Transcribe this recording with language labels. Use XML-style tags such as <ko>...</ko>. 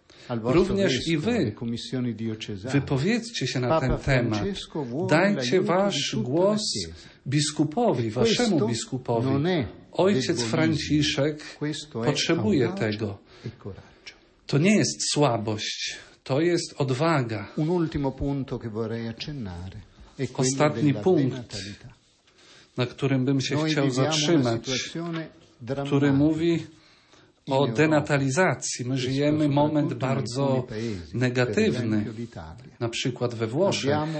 <pl>Również i wy wypowiedzcie się na ten temat, dajcie wasz głos biskupowi, waszemu biskupowi. Ojciec Franciszek potrzebuje tego. To nie jest słabość, to jest odwaga.</pl> <it>Un ultimo punto che vorrei accennare.</it> <pl>Ostatni punkt, na którym bym się chciał zatrzymać, który mówi o denatalizacji. My żyjemy moment bardzo negatywny, na przykład we Włoszech.</pl>